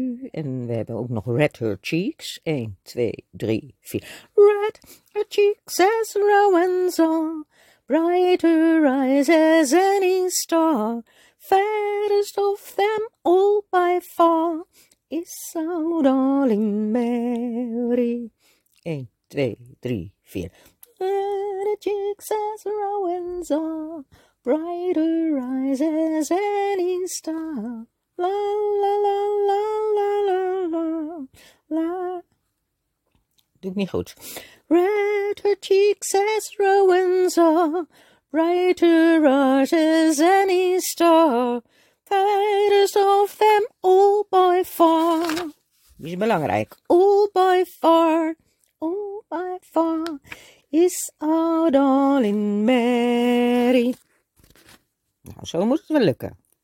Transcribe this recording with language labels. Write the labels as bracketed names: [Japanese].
[Dutch] En we hebben ook nog Red Her Cheeks. [English] 1, 2, 3, 4. Red her cheeks as rowans are. Brighter eyes as any star. Fairest of them all by far. Is our darling Mary. 1, 2, 3, 4. Red her cheeks as rowans are. Brighter eyes as any star. La la la la la la la la. [Dutch] Doe me goed. [English] Red her cheeks as rowans are. Brighter eyes as any star. Fairest of them all by far. [Dutch] Is belangrijk. [English] All by far. All by far. Is our darling Mary. [Dutch] Nou, zo moet het wel lukken.